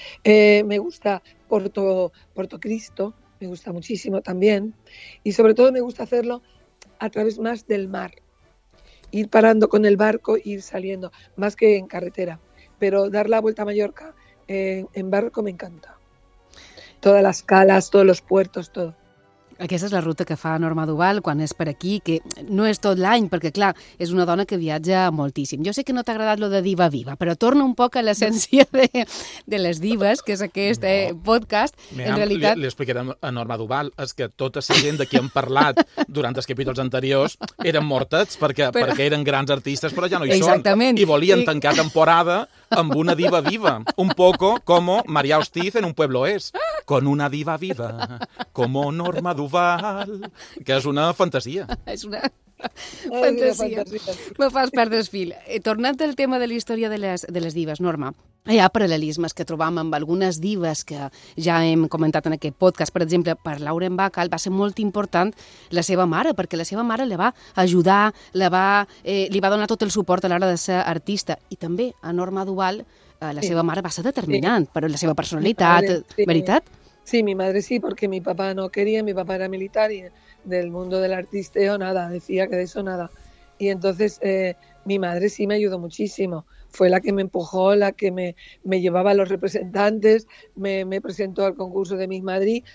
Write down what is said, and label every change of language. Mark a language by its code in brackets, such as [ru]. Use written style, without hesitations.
[es] Me gusta Puerto Cristo, me gusta muchísimo también. Y sobre todo me gusta hacerlo a través más del mar. Ir parando con el barco e ir saliendo, más que en carretera. Pero dar la vuelta a Mallorca en barco me encanta. Todas las calas, todos los puertos, todo. [ca] Aquesta és la ruta que fa Norma Duval quan és per aquí, que no és tot l'any, perquè, clar, és una dona que viatja moltíssim. Jo sé que no t'ha agradat lo de Diva Viva, però torna un poc a l'essència de les divas, que és aquest podcast. Li explicaré a Norma Duval, és que tota la gent de qui hem parlat durant els capítols anteriors eren mortets perquè eren grans artistes, però ja no hi són. I volien tancar temporada amb una diva viva, [es] un poco como María Ortiz en Un Pueblo Es, con una diva viva, como Norma Duval, [ca] que és una fantasia. És una fantasia. Me fas perdre el fil. Tornant al tema de la història de les divas, Norma, hi ha paral·lelismes que trobam amb algunes divas que ja hem comentat en aquest podcast. Per exemple, per Lauren Bacall va ser molt important la seva mare, perquè la seva mare la va ajudar, li va donar tot el suport a l'hora de ser artista. I també a Norma Duval, la seva mare va ser determinant, però la seva personalitat, veritat? Sí, mi madre sí, porque mi papá no quería, mi papá era militar y del mundo del artisteo nada, decía que de eso nada. Y entonces mi madre sí me ayudó muchísimo, fue la que me empujó, la que me llevaba a los representantes, me presentó al concurso de Miss Madrid.